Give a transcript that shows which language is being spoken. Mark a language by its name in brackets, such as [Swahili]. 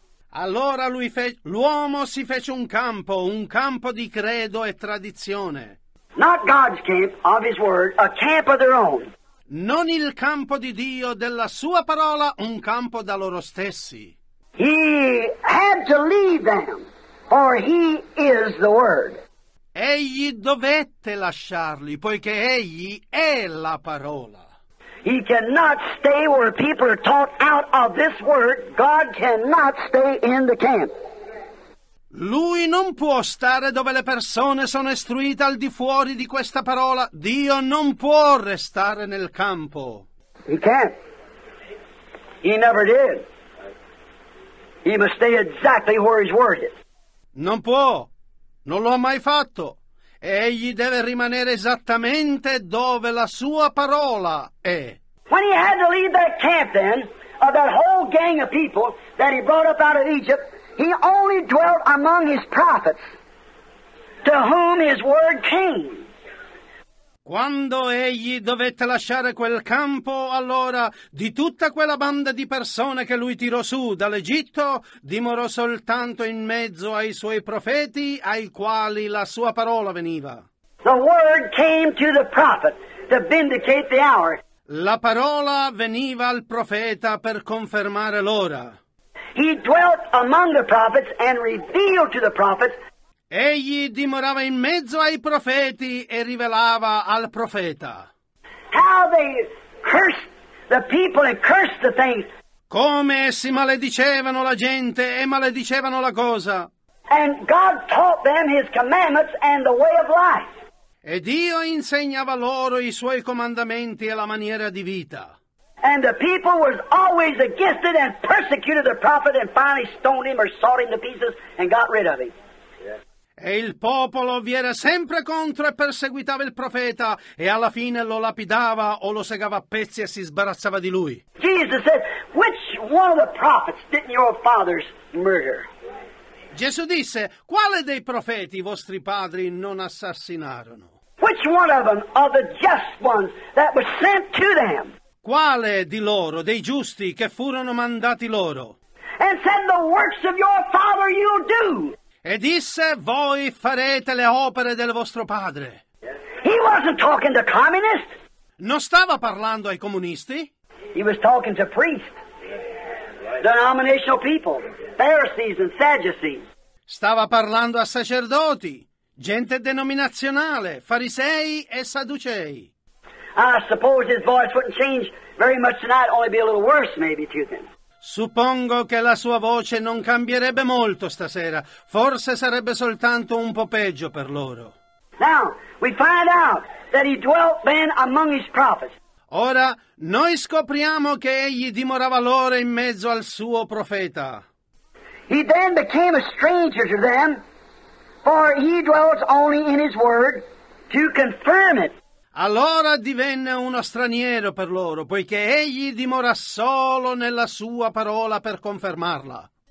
[Italian] Allora l'uomo si fece un campo di credo e tradizione. [English] Not God's camp, of his word, a camp of their own. [Italian] Non il campo di Dio, della sua parola, un campo da loro stessi. [English] He had to leave them, for he is the word. [Italian] Egli dovette lasciarli, poiché egli è la parola. [English] He cannot stay where people are taught out of this word. God cannot stay in the camp. [Italian] Lui non può stare dove le persone sono istruite al di fuori di questa parola. Dio non può restare nel campo. [English] He can't. He never did. He must stay exactly where his word is. [Italian] Non può. Non lo ha mai fatto. Egli deve rimanere esattamente dove la sua parola è. [English] When he had to leave that camp then, of that whole gang of people that he brought up out of Egypt, he only dwelt among his prophets, to whom his word came. [Italian] Quando egli dovette lasciare quel campo, allora di tutta quella banda di persone che lui tirò su dall'Egitto, dimorò soltanto in mezzo ai suoi profeti, ai quali la sua parola veniva. [English] The word came to the prophet to vindicate the hour. [Italian] La parola veniva al profeta per confermare l'ora. [English] He dwelt among the prophets and revealed to the prophets. [Italian] Egli dimorava in mezzo ai profeti e rivelava al profeta. [English] How they cursed the people and cursed the things. [Italian] Come essi maledicevano la gente e maledicevano la cosa. [English] And God taught them his commandments and the way of life. [Italian] E Dio insegnava loro i suoi comandamenti e la maniera di vita. [English] And the people was always against it and persecuted the prophet and finally stoned him or sawed him to pieces and got rid of him. [Italian] E il popolo vi era sempre contro e perseguitava il profeta e alla fine lo lapidava o lo segava a pezzi e si sbarazzava di lui. [English] Jesus said, which one of the prophets didn't your fathers murder? [Italian] Gesù disse, quale dei profeti i vostri padri non assassinarono? [English] Which one of them, of the just ones that was sent to them? [Italian] Quale di loro, dei giusti che furono mandati loro? [English] And said, the works of your father you'll do. [Italian] E disse, voi farete le opere del vostro padre. [English] He wasn't talking to communists. [Italian] Non stava parlando ai comunisti. [English] He was talking to priests, denominational people, Pharisees and Sadducees. [Italian] Stava parlando a sacerdoti, gente denominazionale, farisei e sadducei. [English] I suppose his voice wouldn't change very much tonight, only be a little worse maybe to them. [Italian] Suppongo che la sua voce non cambierebbe molto stasera. Forse sarebbe soltanto un po' peggio per loro. [English] Now, we find out that he dwelt then among his prophets. [Italian] Ora, noi scopriamo che egli dimorava loro in mezzo al suo profeta. [English] He then became a stranger to them, for he dwelt only in his word to confirm it. [Italian] Allora divenne uno straniero per loro, poiché egli dimora solo nella sua parola per confermarla.